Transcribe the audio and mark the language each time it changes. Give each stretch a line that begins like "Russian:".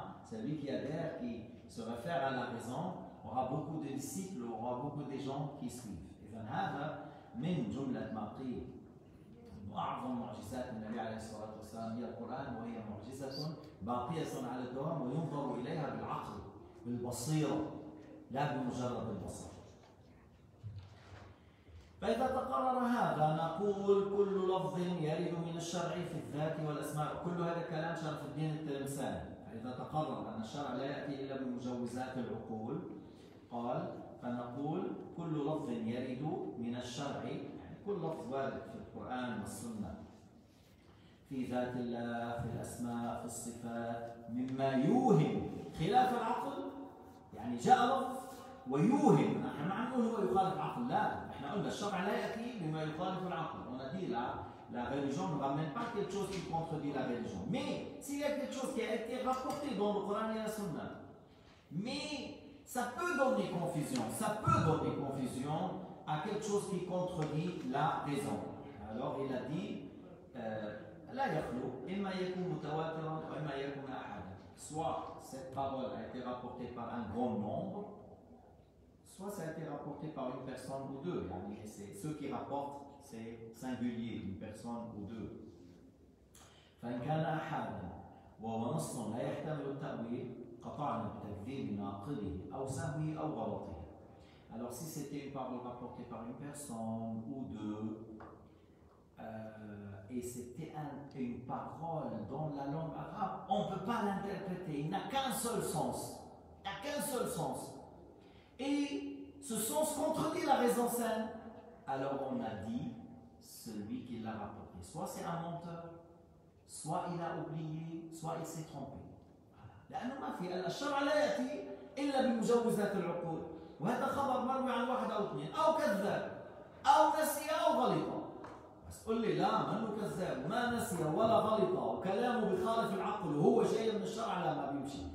French: celui qui adhère, qui se réfère à la raison, aura beaucoup de disciples, aura beaucoup de gens qui suivent.
Arabic: إذن هذا من جملة ما قيل. أعظم معجزات النبي عليه الصلاة والسلام هي القرآن وهي معجزة باقية على الدوام وينظر إليها بالعقل بالبصيرة لا بمجرد البصر. فإذا تقرر هذا نقول كل لفظ يرد من الشرع في الذات والأسماء كل هذا كلام شرف الدين التلمساني. فإذا تقرر أن الشرع لا يأتي إلا بمجوزات العقول قال فنقول كل لفظ يرد من الشرع كل لفظ وارد في القرآن والسنة في ذات الله في الأسماء في الصفات مما يوهم خلاف العقل. يعني جاء لفظ ويوهم، نحن ما عم نقول هو يخالف العقل، لا، احنا قلنا الشرع لا يأتي بما يخالف العقل.
French: On a dit la religion ne ramène pas quelque chose qui contredit la religion. Mais s'il y a quelque chose qui a été rapporté dans le Coran et la Sunna, mais ça peut donner confusion, ça peut donner confusion à quelque chose qui contredit la raison. Alors il a dit
Arabic: la yakhlou imma yakun mutawatiran wa imma yakun ahad.
French: Soit cette parole a été rapportée par un grand nombre, soit ça a été rapporté par une personne ou deux. Yani, c'est ceux qui rapportent, c'est singulier, une personne ou deux.
Arabic: فإن كان أحداً وهو نص لا يحتمل التأويل قطعنا بتكذيب ناقضه أو سهوه أو غلطه.
French: Alors si c'était une parole rapportée par une personne ou deux et c'était une parole dans la langue arabe, on ne peut pas l'interpréter. Il n'a qu'un seul sens. Il n'a qu'un seul sens. Et ce sens contredit la raison saine. Alors on a dit celui qui l'a rapporté. Soit c'est un menteur, soit il a oublié, soit il s'est trompé.
Arabic: لأنه ما في إلا الشرع لا يأتي إلا بمجوزات العقول وهذا خبر مرمي عن واحد أو اثنين أو كذاب أو نسي أو غلط. بس قل لي لا منه كذاب ما نسي ولا غلط وكلامه بخالف العقل وهو شيء من الشرع لا ما بيمشي.